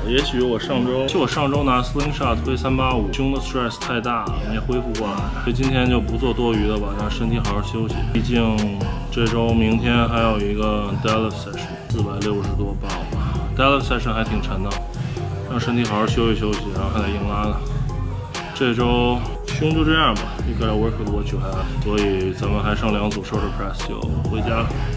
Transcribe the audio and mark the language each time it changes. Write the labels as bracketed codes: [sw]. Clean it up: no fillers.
[zh] 也许我上周，就我上周拿 slingshot 推385，胸的 stress 太大了，没恢复过来。所以今天就不做多余的吧，让身体好好休息。毕竟这周明天还有一个 deadlift session， 460多磅吧。 deadlift session 还挺沉的，让身体好好休息休息，然后还得硬拉的。这周胸就这样吧， [en] you gotta work with what you have。 [zh] 所以咱们还剩两组 shoulder press 就回家了。